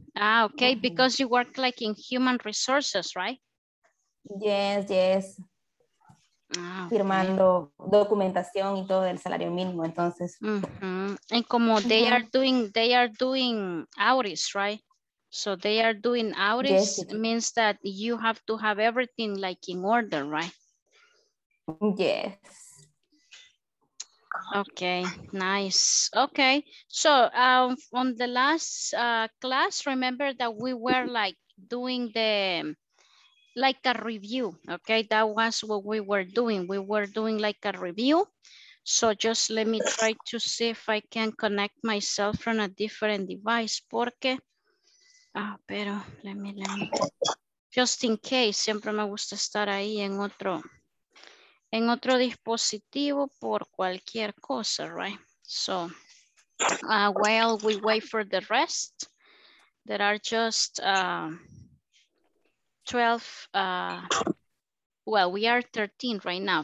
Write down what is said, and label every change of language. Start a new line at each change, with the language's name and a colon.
English: Ah, okay, because you work like in human resources, right? Yes, yes. Ah, okay.
Spanish: Firmando documentación y todo del salario mínimo, entonces.
English: Mm-hmm. And
Spanish: como
English: they are doing, hours, right? So they are doing hours, yes, means that you have to have everything like in order, right? Yes. Okay, nice. Okay, so on the last class, remember that we were like doing the like a review, okay? That was what we were doing. We were doing like a review. So just let me try to see if I can connect myself from a different device,
Spanish: porque, ah, pero,
English: let me. Just in case,
Spanish: siempre me gusta estar ahí en otro dispositivo por cualquier cosa, right?
English: So while we wait for the rest, there are just, 12, well, we are 13 right now.